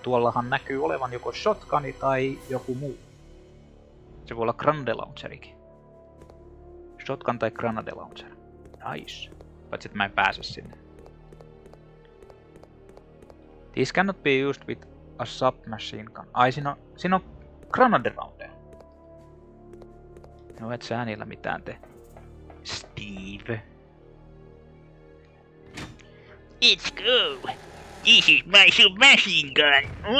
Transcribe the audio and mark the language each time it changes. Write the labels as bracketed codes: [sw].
[fi] Tuollahan näkyy olevan joko shotguni tai joku muu. Se voi olla grenade launcherikin. Shotgun tai grenade launcher. Nice. Paitsi että mä en pääse sinne. [en] This cannot be used with a submachine gun. [fi] Ai, siinä on grenade launcher. No et sä niillä mitään te, Steve. [en] Let's go! This is my submachine gun!